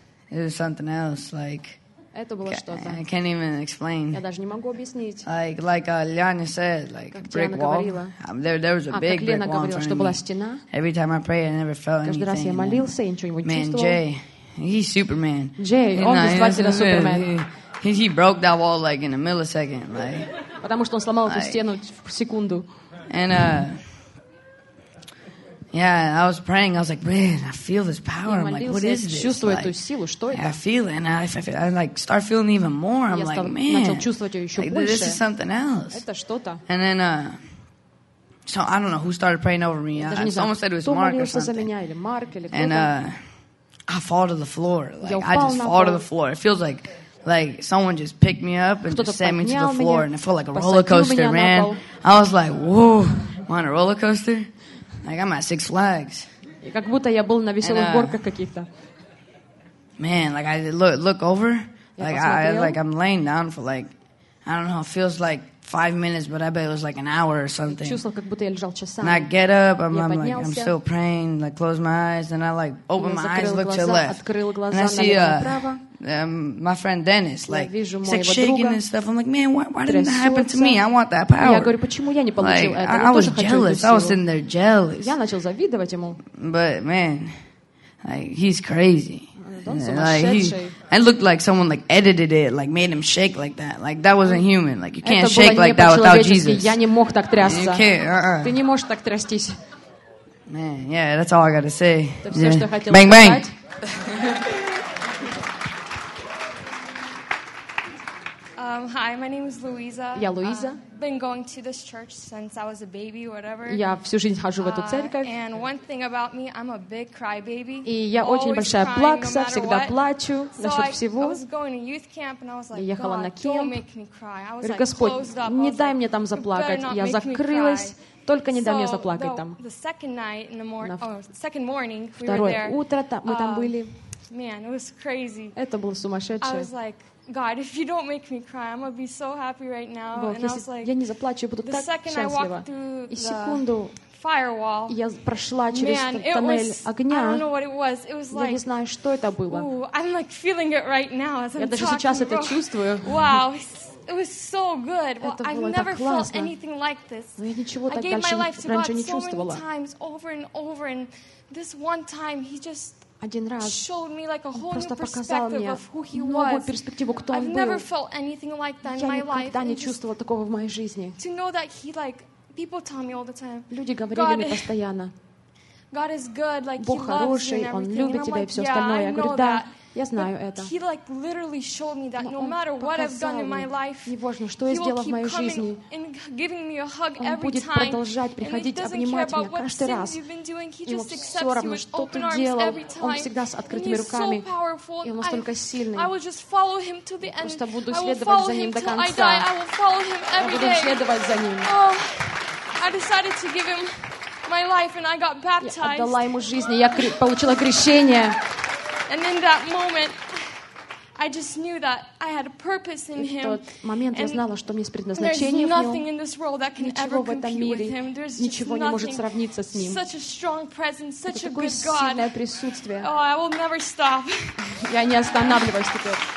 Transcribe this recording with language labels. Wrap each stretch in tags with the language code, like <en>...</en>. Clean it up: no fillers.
<en>It was something else, like I can't even explain.</en> <ru>Я даже не могу объяснить.</ru> <en>Like Ляня said, like</en> <ru>как</ru> <en>brick wall. There was a big brick wall.</en> <ru>Как Лена говорила, что была стена.</ru> <en>Every time I pray, I never felt</en> <ru>каждый</ru> <en>anything.</en> <ru>Каждый раз я молился, и ничего не чувствовал.</ru> <en>Man, Jay, he's Superman.</en> <ru>Jay, он действительно Супермен.</ru> <en>He broke that wall like in a millisecond, like.</en> <ru>Потому что он сломал эту стену в секунду.</ru> <en>And yeah, I was praying. I was like, man, I feel this power. I'm like, what is this?</en> <ru>Чувствую</ru> <en>like,</en> <ru>эту силу. Что это?</ru> <en>I feel it. And I like start feeling even more. I'm like, man,</en> <ru>начал чувствовать ее еще</ru> <en>like,</en> <ru>больше.</ru> <en>This is something else.</en> <ru>Это что-то.</ru> <en>And then, so I don't know who started praying over me. Someone said it was Mark or something.</en> <ru>За меня, или Марк, или</ru> <en>and I fall to the floor. Like, I just fall to the floor. It feels like someone just picked me up and кто-то just sent me to the floor. and it felt like a roller coaster, man. I was like, whoa, am I on a roller coaster? Like I'm at Six Flags.</en> <ru>Как будто я был на веселых горках каких-то.</ru> <en>Man, like I look over. Like I'm laying down for like I don't know, it feels like 5 minutes, but I bet it was like an hour or something. And I get up, I'm still praying, like close my eyes, and I like open my eyes, look to the left. And I see my friend Dennis, like, he's like shaking and stuff. I'm like, man, why didn't that happen to me? I want that power. Like, I was jealous. I was sitting there jealous. But man, like, he's crazy. Like, I looked like someone like edited it, like made him shake like that. Like, that wasn't human. Like, you can't shake like that without Jesus. You can't. Man, yeah, that's all I gotta say. Yeah. Bang, bang. Hi, my name is Louisa.</en> <ru>Я Луиза.</ru> <en>Been going to this church since I was a baby, whatever.</en> <ru>Я всю жизнь хожу в эту церковь.</ru> <en>And one thing about me, I'm a big crybaby.</en> <ru>И я очень большая плакса, всегда плачу насчет всего.</ru> <en>So I was going to youth camp and I was like, God, don't make me cry. I was like,</en> <ru>Господь, не дай мне там заплакать. Я закрылась. Только не дай мне заплакать там.</ru> <en>The second night in the morning, second morning, we were there.</en> <ru>Второе утро там мы там были.</ru> <en>Man, it was crazy.</en> <ru>Это было сумасшедшее.</ru> <en>I was like, God, if you don't make me cry, I'm gonna be so happy right now.</en> <ru>Бог, and</ru> <en>I was</en> <ru>like, я не заплачу, я буду так счастлива. И секунду, firewall, я прошла через тоннель огня.</ru> <en>I don't know what it was. It was like,</en> <ru>я не знаю, что это было.</ru> <en>Ooh, I'm like feeling it right now as I'm</en> <ru>talking. Я даже сейчас это чувствую.</ru> <en>Wow. It was so good. Well, I've never felt anything like this.</en> <ru>Но я ничего так дальше раньше не чувствовала.</ru> <en>I gave my life to God so many times, over and over, and this one time He just</en> <ru>один раз</ru> <en>showed me like a whole new perspective of who he was.</en> <ru>Новую перспективу, кто он был.</ru> <en>I've never felt anything like that in my life.</en> <ru>Я никогда не чувствовала такого в моей жизни.</ru> <en>To know that he, like, people tell me all the time.</en> <ru>Люди говорили мне постоянно.</ru> <en>God is good, like,</en> <ru>Бог хороший, Он любит тебя и все остальное. Я говорю, да, я знаю это. He, like, literally showed me that no matter what I've done in my life, не важно, что я сделала в моей жизни, Он будет продолжать приходить обнимать меня каждый раз. Ему все равно, что ты делал, Он всегда с открытыми руками, и Он настолько сильный. Я просто буду следовать за Ним до конца. Я буду следовать за Ним.</ru> <en>I decided to give Him my life, and I got baptized.</en> <ru>Я отдала ему жизнь, и я получила крещение.</ru> <en>And in that moment, I just knew that I had a purpose in Him.</en> <ru>В тот момент я знала, что у меня есть предназначение в нем.</ru> <en>There's nothing in this world that can ever compete with Him.</en> <ru>Ничего не может сравниться с ним.</ru> <en>Such a strong presence, such a good God.</en> <ru>Это такое сильное присутствие.</ru> <en>Oh, I will never stop.</en> <ru>Я не останавливаюсь теперь.</ru>